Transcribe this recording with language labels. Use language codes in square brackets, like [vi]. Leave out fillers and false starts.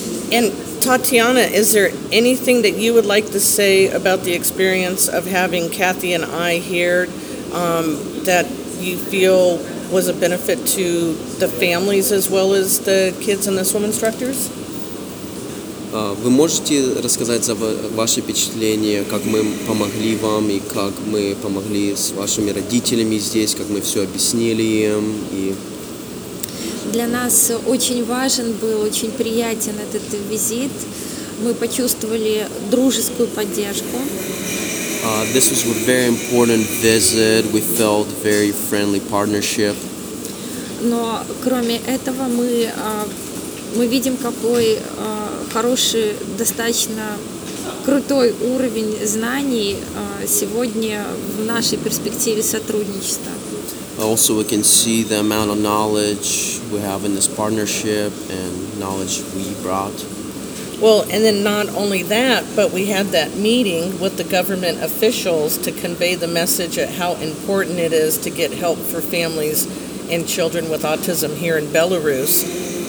[en] And Tatiana, is there anything that you would like to say about the experience of having Kathy and I here that you feel was a benefit to the families as well as the kids and the swim instructors? [ru] Вы можете рассказать за ваши впечатления, как мы помогли вам и как мы помогли с вашими родителями здесь, как мы все объяснили им? И... Для нас очень важен был, очень приятен этот визит. мы почувствовали дружескую поддержку. [en] This was a very important visit. We felt very friendly partnership. [ru] Но кроме этого мы мы видим какой хороший достаточно крутой уровень знаний сегодня в нашей перспективе сотрудничества. [en] Also, we can see the amount of knowledge we have in this partnership and knowledge we brought. Well, and then not only that, but we had that meeting with the government officials to convey the message of how important it is to get help for families and children with autism here in Belarus.